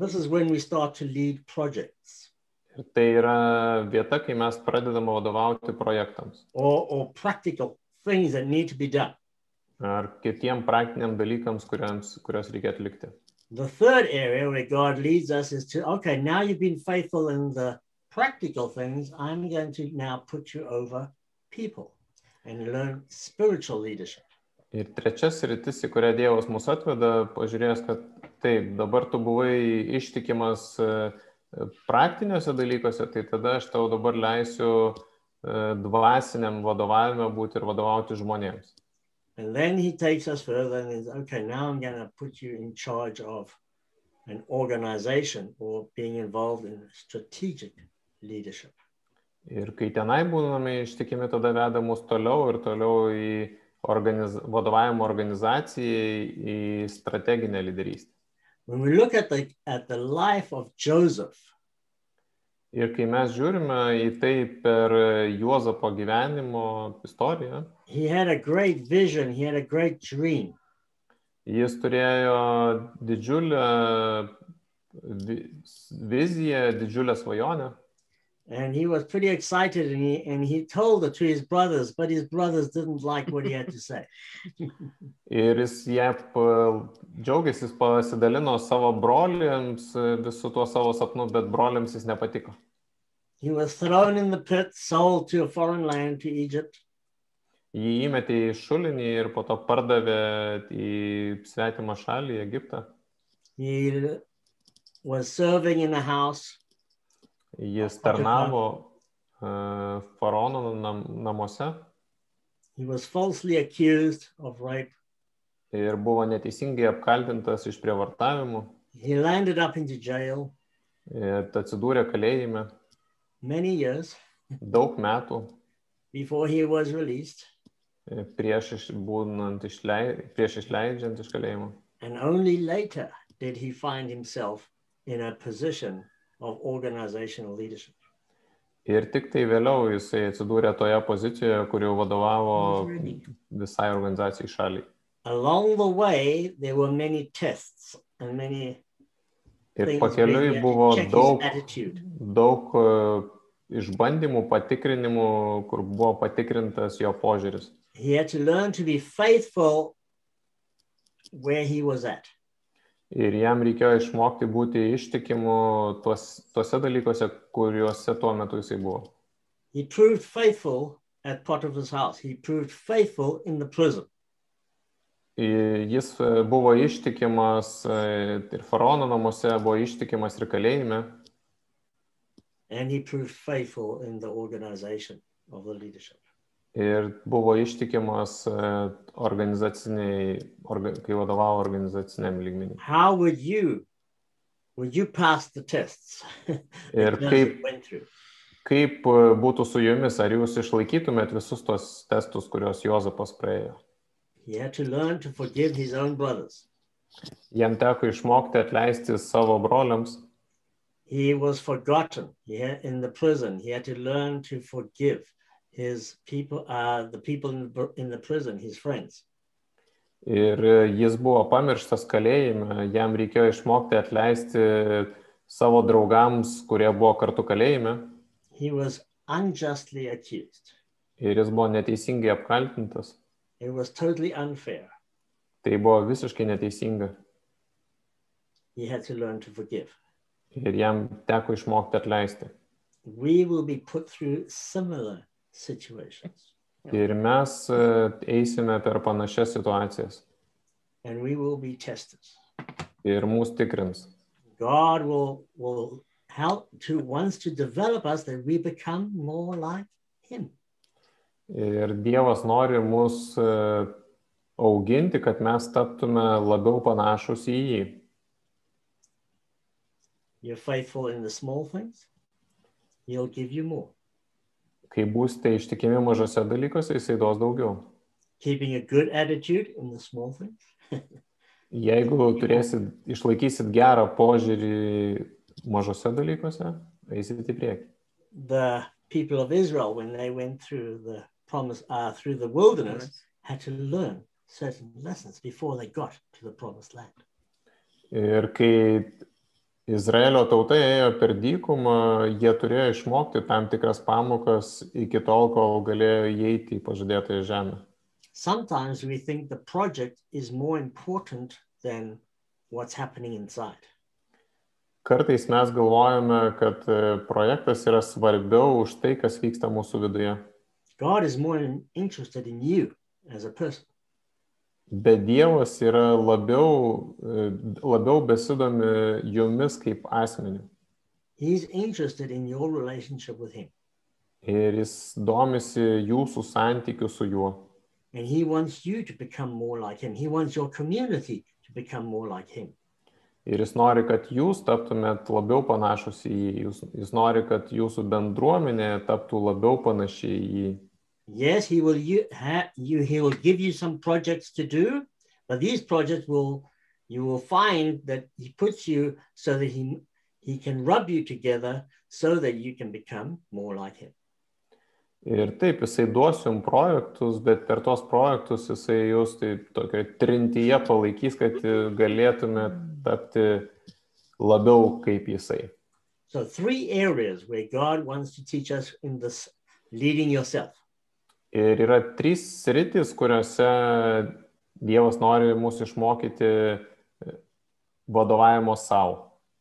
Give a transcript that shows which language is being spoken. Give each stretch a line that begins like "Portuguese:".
English: This is when we start to lead projects.
Lithuanian: Ir tai yra vieta, kai mes pradedame vadovauti projektams.
English: Or practical things that need to be done.
Lithuanian: Ar kitiem praktiniam dalykams, kurios reikia atlikti.
English: The third area where God leads us is to, okay, now you've been faithful in the practical things, I'm going to now put you over people and learn spiritual leadership.
Lithuanian: Ir trečias rytis, į kurią Dievas mus atveda, pažiūrėjęs, kad taip, dabar tu buvai ištikimas praktiniuose dalykuose, tai tada aš tau dabar leisiu dvasiniam vadovavimą būti ir vadovauti žmonėms.
English: And then he takes us further and says, okay, now I'm going to put you in charge of an organization or being involved in strategic leadership.
Lithuanian: Ir kai tenai būname ištikimi, tada veda mus toliau ir toliau į vadovavimo organizacijai, į strateginę lyderystę.
English: When we look at the life of Joseph.
Lithuanian: Ir kai mes žiūrime į tai per Juozapo gyvenimo istoriją.
English: He had a great vision, he had a great dream.
Lithuanian: Jis turėjo didžiulę viziją, didžiulę svajonę.
English: And he was pretty excited and he told it to his brothers, but his brothers didn't like what he had to say.
Lithuanian: Ir jis džiaugėsi, jis pasidalino savo broliams visu tuo savo sapnu, bet broliams jis nepatiko.
English: He was thrown in the pit, sold to a foreign land, to Egypt.
Lithuanian: Jį įmetė į šulinį ir po to pardavė į svetimą šalį, Egiptą.
English: He was serving in the house.
Lithuanian: Jis tarnavo faraono namuose.
English: He was falsely accused of rape.
Lithuanian: Ir buvo neteisingai apkaltintas iš prievartavimų.
English: He landed up into jail.
Lithuanian: Ir atsidūrė kalėjime.
English: Many years.
Lithuanian: Daug metų.
English: Before he was released.
Lithuanian: Prieš išleidžiant iš kalėjimo.
English: And only later did he find himself in a position of organizational leadership.
Lithuanian: Ir tik tai vėliau jisai atsidūrė toje pozicijoje, kur jau vadovavo visai organizacijai šaliai.
English: Along the way there were many tests and many
Lithuanian: Ir pakeliui buvo daug išbandymų, patikrinimų, kur buvo patikrintas jo požiūris.
English: He had to learn to be faithful where he was at.
Lithuanian: Ir jam reikėjo išmokti būti ištikimu tuose dalykuose, kuriuose tuo metu jisai buvo.
English: He proved faithful at Potiphar's house. He proved faithful in the prison.
Lithuanian: Jis buvo ištikimas ir faraono namuose, buvo ištikimas ir kalėjime.
English: And he proved faithful in the organization of the leadership.
Lithuanian: Ir buvo ištikimas organizaciniai, kai vadovavo organizaciniam lygmeniui.
English: How would you pass the tests?
Lithuanian: Ir kaip būtų su jumis, ar jūs išlaikytumėt visus tos testus, kuriuos Jozapas praėjo?
English: He had to learn to forgive his own brothers.
Lithuanian: Jam teko išmokti atleisti savo broliams.
English: He was forgotten in the prison. He had to learn to forgive his people, the people in the prison, his friends.
Lithuanian: Ir jis buvo pamirštas kalėjime, jam reikėjo išmokti atleisti savo draugams, kurie buvo kartu kalėjime.
English: He was unjustly accused.
Lithuanian: Ir jis buvo neteisingai apkaltintas.
English: It was totally unfair.
Lithuanian: Tai buvo visiškai neteisinga.
English: He had to learn to forgive.
Lithuanian: Ir jam teko išmokti atleisti.
English: We will be put through similar situations.
Lithuanian: Ir mes eisime per panašias situacijas.
English: And we will be tested.
Lithuanian: Ir mus tikrins.
English: God will help to wants to develop us that we become more like him.
Lithuanian: Ir Dievas nori mus auginti, kad mes taptume labiau panašus į jį.
English: You're faithful in the small things. He'll give you more.
Lithuanian: Kai būsite ištikimi mažose dalykose, jisai duos daugiau.
English: Keeping a good attitude in the small things.
Lithuanian: Jeigu turėsit, išlaikysit gerą požiūrį mažose dalykose, eisit į priekį.
English: The people of Israel, when they went through the through the wilderness, had to learn certain lessons before they got to the promised land.
Lithuanian: Ir kai Izraelio tauta ėjo per dykumą, jie turėjo išmokti tam tikras pamokas iki tol, kol galėjo įeiti į pažadėtąją žemę.
English: Sometimes we think the project is more important than what's happening inside.
Lithuanian: Kartais mes galvojame, kad projektas yra svarbiau už tai, kas vyksta mūsų viduje.
English: God is more interested in you as a person.
Lithuanian: Bet Dievas yra labiau besidomi jumis kaip asmeniu.
English: He is interested in your relationship with him.
Lithuanian: Ir jis domisi jūsų santykiu su juo.
English: And he wants you to become more like him. He wants your community to become more like him.
Lithuanian: Ir jis nori, kad jūs taptumėt labiau panašus į jį. Jis nori, kad jūsų bendruomenė taptų labiau panaši į jį.
English: Yes, he will give you some projects to do, but these projects you will find that he puts you so that he can rub you together so that you can become more like him.
Lithuanian: Ir taip, jisai duos jum projektus, bet per tos projektus jisai jūs taip tokio trintyje palaikys, kad galėtume tapti labiau kaip jisai.
English: So three areas where God wants to teach us in this leading yourself.
Lithuanian: Ir yra trys sritys, kuriuose Dievas nori mūsų išmokyti vadovavimo sau.